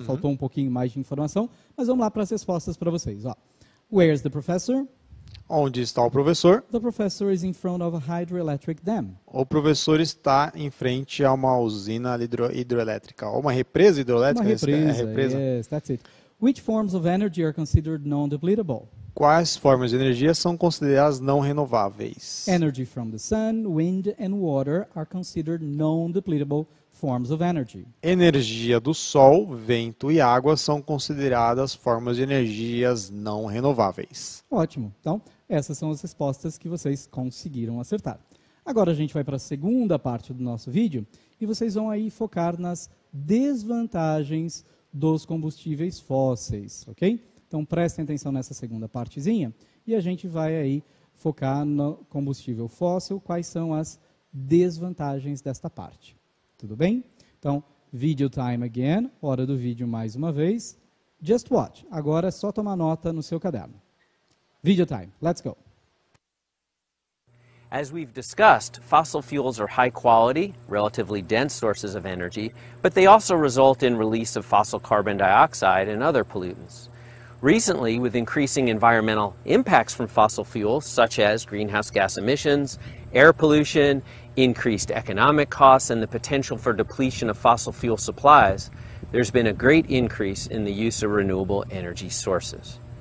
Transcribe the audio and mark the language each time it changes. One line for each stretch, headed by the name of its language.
Portuguese: Faltou um pouquinho mais de informação, mas vamos lá para as respostas para vocês.
English: Ó. Where's the professor?
Portuguese: Onde está o professor?
English: The professor is in front of a hydroelectric dam.
Portuguese: O professor está em frente a uma usina hidroelétrica, ou uma represa hidrelétrica. Uma represa.
English: Yes, that's it. Which forms of energy are considered non-depletable?
Portuguese: Quais formas de energia são consideradas não renováveis?
English: Energy from the sun, wind and water are considered non-depletable forms of energy.
Portuguese: Energia do sol, vento e água são consideradas formas de energias não renováveis. Ótimo. Então, essas são as respostas que vocês conseguiram acertar. Agora a gente vai para a segunda parte do nosso vídeo e vocês vão aí focar nas desvantagens dos combustíveis fósseis, ok? Então, prestem atenção nessa segunda partezinha e a gente vai aí focar no combustível fóssil, quais são as desvantagens desta parte. Tudo bem? Então,
English: video time again,
Portuguese: hora do vídeo mais uma vez.
English: Just watch.
Portuguese: Agora é só tomar nota no seu caderno.
English: Video time. Let's go. As we've discussed, fossil fuels are high quality, relatively dense sources of energy, but they also result in release of fossil carbon dioxide and other pollutants. Recently, with increasing environmental impacts from fossil fuels, such as greenhouse gas emissions, air pollution, increased economic costs, and the potential for depletion of fossil fuel supplies, there's been a great increase in the use of renewable energy sources.